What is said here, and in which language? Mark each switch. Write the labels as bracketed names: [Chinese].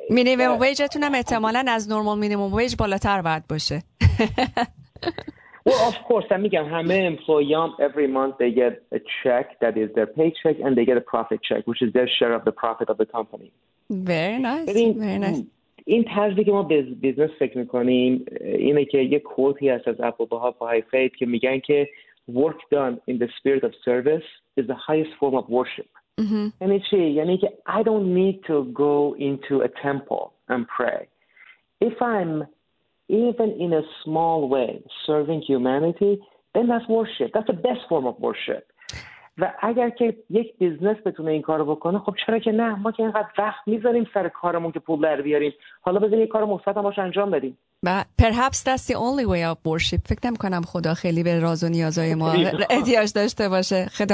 [Persian] مینیمم ویجتون هم احتمالاً از نورمال مینیمم ویج بالاتر باید باشه. [English] Well, of course, I mean, [Persian] همه امپلویام [English] every month they get a check that is their paycheck and they get a profit check which is their share of the profit of the company. Very nice. [Persian] این طرزی که ما بزنس فکر میکنیم اینه که یه کوتی هست از اپو بها پای فید که میگن که [English] work done in the spirit of service is the highest form of worship. [Persian] یعنی چی؟ یعنی که [English] I don't need to go into a temple and pray. If I'm even in a small way serving humanity, then that's worship. That's the best form of worship. [Persian] و اگر که یک بیزنس بتونه این کارو بکنه، خب چرا که نه؟ ما که اینقدر وقت میذاریم سر کارمون که پول در بیاریم، حالا بذاریم یک کار مثبت هم باشه انجام بدیم. [English] Perhaps that's the only way of worship. [Persian] فکر نمی کنم خدا خیلی به راز و نیازهای ما احتیاج داشته باشه.